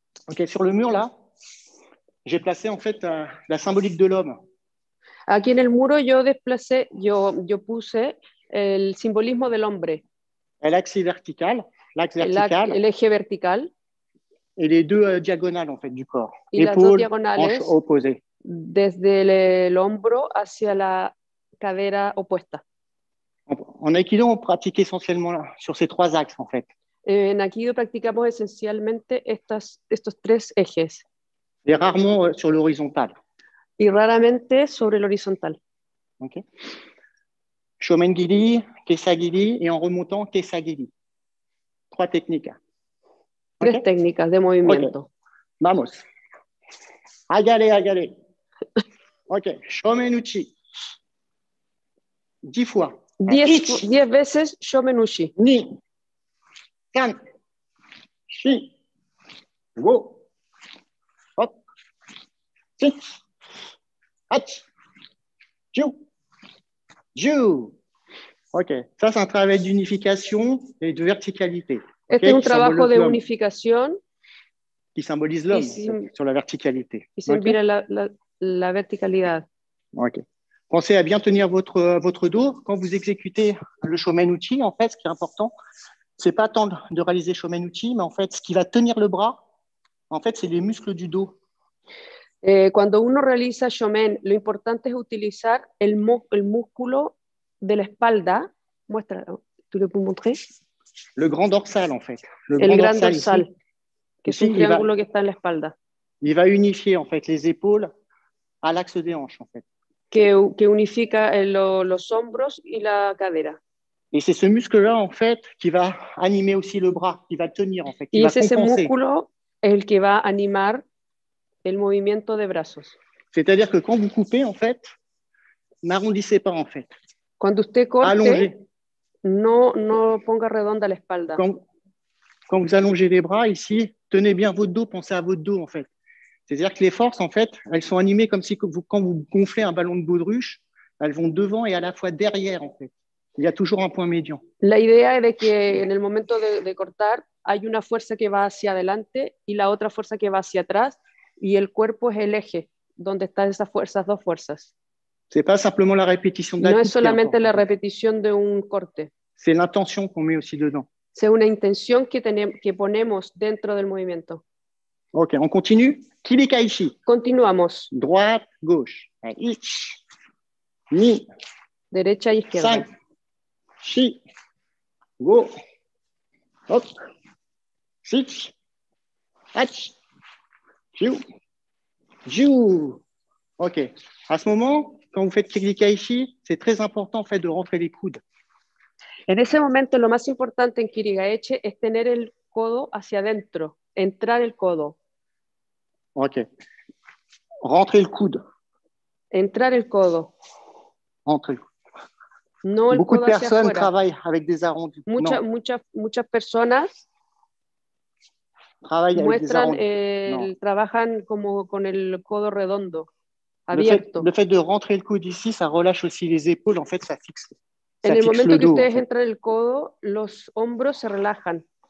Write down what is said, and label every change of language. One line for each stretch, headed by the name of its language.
French: Ok, sur le mur là, j'ai placé en fait la symbolique de l'homme.
Spanish: Aquí en el muro yo desplacé, yo puse el simbolismo del hombre.
French: L'axe vertical. L'axe vertical,
Spanish: l'eje vertical
French: et les deux diagonales en fait du corps, épaules, hanches opposées.
Spanish: Desde el hombro hacia la cadera opuesta.
French: En Aikido, on pratique essentiellement là, sur ces trois axes en fait.
Spanish: En Aikido, practicamos esencialmente estos tres ejes.
French: Et rarement sur l'horizontal.
Spanish: Y raramente sobre el horizontal.
French: Ok. Shomengiri, Kesagiri et en remontant Kesagiri. Trois techniques. Okay.
Spanish: Tres técnicas de movimiento. Okay. Vamos. Hágale. Ok. Shomen Uchi.
French: 10 fois.
Spanish: 10 veces Shomen Uchi.
Japanese: Ni. Kan. Shi. Go. Hop. Six. Hach. Jiu. Jiu. Ok.
French: Ça, c'est un travail d'unification et de verticalité.
Spanish: Este es un trabajo de unificación que simboliza el hombre sobre la verticalidad. Y simboliza la verticalidad. Ok.
French: Pensez a bien tenir votre dos
Spanish: cuando
French: vous exécutez le Shomen Uchi. En fait, ce qui est important, c'est pas tant de réaliser Shomen Uchi, mais en fait, ce qui va tenir le bras, en fait, c'est les muscles du dos.
Spanish: Cuando uno realiza Shomen, lo importante es utilizar el músculo de la espalda. Muestra, ¿tú le puedes mostrar?
French: Le grand dorsal, en fait. Le grand dorsal ici,
Spanish: que es un triángulo que está en la espalda.
French: Il va unifier, en fait, les épaules à l'axe des hanches, en fait.
Spanish: Que unifica los hombros y la cadera.
French: Et c'est ce muscle-là, en fait, qui va animer aussi le bras, qui va tenir, en fait, qui
Spanish: y va compenser. Y ese músculo es el que va a animar el movimiento de brazos.
French: C'est-à-dire que quand vous coupez, en fait, n'arrondissez pas, en fait.
Spanish: Cuando usted corte...
French: Allongez.
Spanish: No ponga redonda la espalda.
French: Quand vous allongez les bras ici, tenez bien votre dos, pensez à votre dos en fait. C'est-à-dire que les forces en fait, elles sont animées comme si quand vous gonflez un ballon de baudruche, elles vont devant et à la fois derrière en fait. Il y a toujours un point médian.
Spanish: La idea es de que en el momento de cortar, hay una fuerza que va hacia adelante y la otra fuerza que va hacia atrás y el cuerpo es el eje donde están esas dos fuerzas.
French: C'est pas simplement la répétition d'un.
Spanish: No es solamente la repetición de un corte.
French: C'est l'intention qu'on met aussi dedans. C'est une intention
Spanish: que ponemos dentro del movimiento.
French: Ok, on continue. Kibikaishi.
Spanish: Continuamos.
French: Droite, gauche. Ich. Ni.
Spanish: Derecha y izquierda.
Japanese: San. Shi. Go. Hop. Sich. Hach. Jiu. Jiu. Ok.
French: À ce moment. Quand vous faites Kirigaishi, c'est très important en fait de rentrer les coudes.
Spanish: En ese momento, lo más importante en Kirigaishi es tener el codo hacia adentro, entrar el codo.
French: Ok. Rentrer le coude.
Spanish: Entrar el codo.
French: Entrer.
Spanish: No el codo hacia afuera.
French: Beaucoup de personnes travaillent avec des arrondis.
Spanish: Muchas personas
French: travaillent
Spanish: muestran,
French: avec des arrondis.
Spanish: Trabajan como con el codo redondo.
French: Le fait de rentrer le coude ici, ça relâche aussi les épaules, en fait, ça fixe le dos.
Spanish: En el momento que ustedes entran el codo, los hombros se relajan.